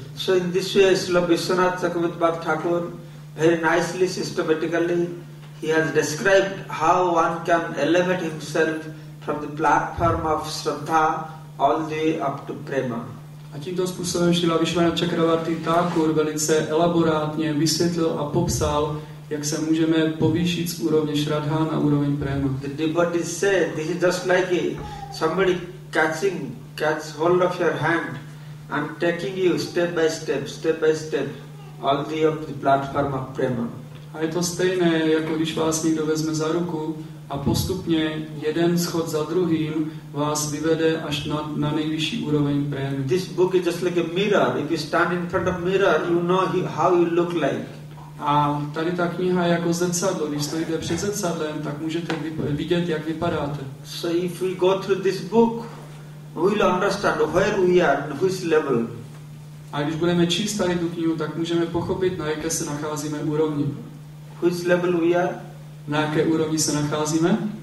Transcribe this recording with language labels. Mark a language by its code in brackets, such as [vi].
[en] So in this way, Srila Vishwanath Chakravarti Thakur, very nicely, systematically, he has described how one can elevate himself from the platform of Shraddha all the way up to Prema. [cs] A tímto způsobem Srila Vishwanath Chakravarti Thakur velice elaborátně vysvětlil a popsal, jak se můžeme povýšit z úrovně Shraddha na úroveň Prema. [en] The devotees say, this is just like somebody catch hold of your hand and taking you step by step, all the way up the platform of Prema. [cs] A je to stejné, jako když vás někdo vezme za ruku a postupně jeden schod za druhým vás vyvede až na nejvyšší úroveň Prema. [en] This book is just like a mirror. If you stand in front of mirror, you know how you look like. [cs] A tady ta kniha je jako zrcadlo. Když stojíte před zrcadlem, tak můžete vidět, jak vypadáte. [en] So if we go through this book, we will understand where we are, in which level. [cs] A když budeme číst tady tu knihu, tak můžeme pochopit, na jaké se nacházíme úrovni. [en] Which level we are? [cs] Na jaké úrovni se nacházíme?